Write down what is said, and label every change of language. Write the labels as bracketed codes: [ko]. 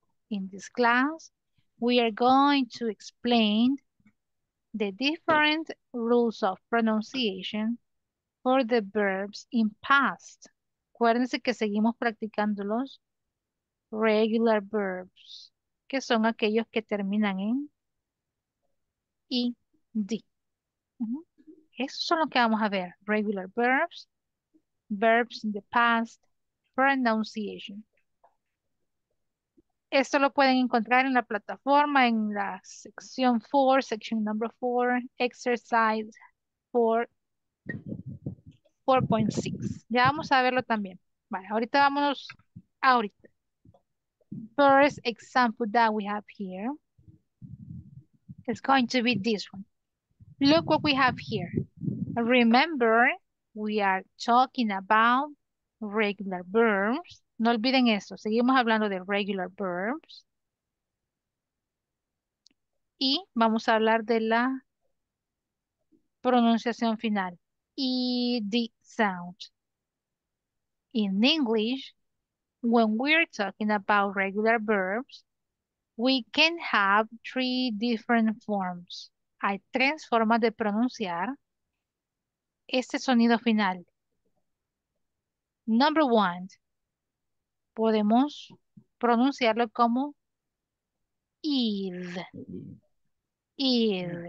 [en] In this class, we are going to explain the different rules of pronunciation for the verbs in past. [es] Acuérdense que seguimos practicando los [en] regular verbs, [es] que son aquellos que terminan en ed. Esos son los que vamos a ver: [en] regular verbs, verbs in the past, pronunciation. [es] Esto lo pueden encontrar en la plataforma, en la sección 4, [en] section number 4, [es] exercise 4.6. Ya vamos a verlo también. Vale, ahorita vámonos ahorita. [en] First example that we have here is going to be this one. Look what we have here. Remember, we are talking about regular verbs. [es] No olviden eso, seguimos hablando de [en] regular verbs. [es] Y vamos a hablar de la pronunciación final, ED sound. [en] In English, when we're talking about regular verbs, we can have three different forms. [es] Hay tres formas de pronunciar este sonido final. [en] Number one. [es] Podemos pronunciarlo como id. Id.